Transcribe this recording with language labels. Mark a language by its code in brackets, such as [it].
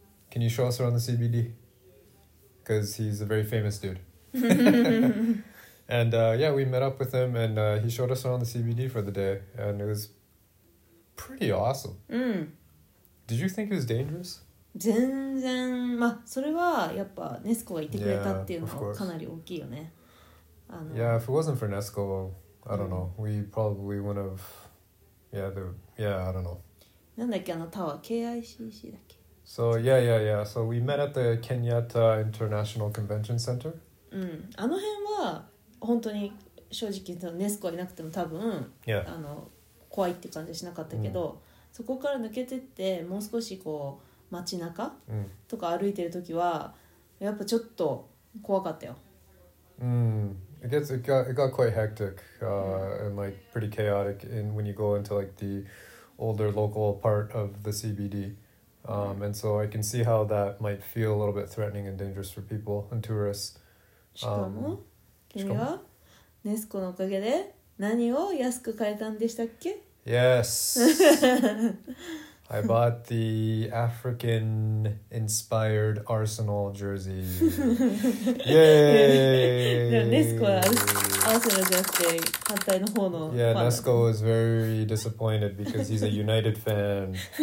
[en] Can you show us around the CBD?" Because he's a very famous dude. And we met up with him and he showed us around the CBD for the day. And it was pretty awesome. Mm. Did you think it was dangerous? [ja] 全然、まあ、それはやっぱネスコがいてくれたっていうのはかなり大きいよね。 [en] Yeah, if it wasn't for Nesco, I don't know. We probably wouldn't have... I don't know. [ja] なんだっけ、あのタワー、KICC だっけ。 [en] So, yeah. So, we met at the Kenyatta International Convention Center. [ja] うん、あの辺は本当に正直言うとネスコいなくても多分、 [en] yeah. [ja] あの怖いって感じはしなかったけど、うん、そこから抜けてってもう少しこう街中、うん、とか歩いてる時はやっぱちょっと怖かったよ。うん。 [en] It got quite hectic、and like pretty chaotic in when you go into like the older local part of the CBD. And so I can see how that might feel a little bit threatening and dangerous for people and tourists. [ja] しかも、君はネスコのおかげで何を安く買えたんでしたっけ? [en] Yes! I bought the African-inspired Arsenal jersey. Yay! [ja] ネスコはアーセナルじゃなくて反対の方のファ [en] Yeah, Nesco was very disappointed because he's a United fan.